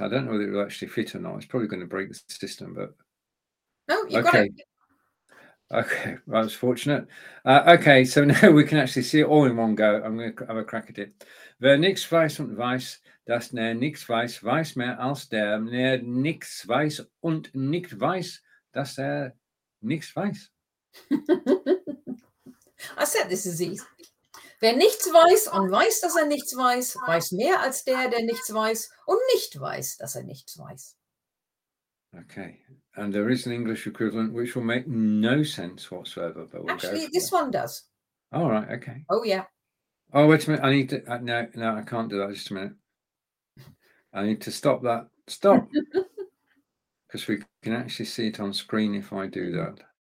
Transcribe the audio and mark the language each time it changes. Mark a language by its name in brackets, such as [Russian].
[English] I don't know whether it will actually fit or not. It's probably going to break the system, but. Got it. Okay, well, I was fortunate. Okay, so now we can actually see it all in one go. I'm going to have a crack at it. [German] Wer nichts weiß und weiß, dass nichts weiß, weiß mehr als der. Wer nichts weiß und nicht weiß, dass nichts weiß. [English] I said this is easy. [German] Wer nichts weiß und weiß, dass nichts weiß, weiß mehr als der nichts weiß und nicht weiß, dass nichts weiß. [English] Okay. And there is an English equivalent which will make no sense whatsoever. But we'll actually, this one does. All right, okay. Oh, yeah. Oh, wait a minute. I need to. No, I can't do that. Just a minute. I need to stop that. Stop. Because we can actually see it on screen if I do that.